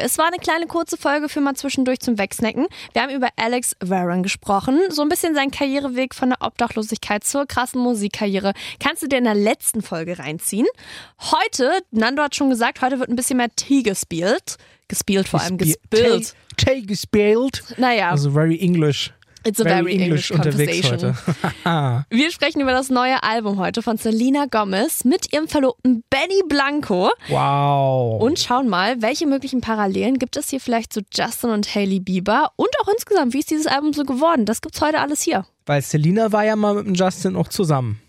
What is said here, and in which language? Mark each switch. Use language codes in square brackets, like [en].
[de] Es war eine kleine kurze Folge für mal zwischendurch zum Wegsnacken. Wir haben über Alex Warren gesprochen. So ein bisschen seinen Karriereweg von der Obdachlosigkeit zur krassen Musikkarriere. Kannst du dir in der letzten Folge reinziehen? Heute, Nando hat schon gesagt, heute wird ein bisschen mehr Tee gespielt. Gespielt vor allem. Gespielt. Tee gespielt. Naja. [en] Also very English. It's a very English conversation. [de] Heute. Wir sprechen über das neue Album heute von Selena Gomez mit ihrem Verlobten Benny Blanco. Wow. Und schauen mal, welche möglichen Parallelen gibt es hier vielleicht zu Justin und Hailey Bieber? Und auch insgesamt, wie ist dieses Album so geworden? Das gibt's heute alles hier. Weil Selena war ja mal mit dem Justin auch zusammen.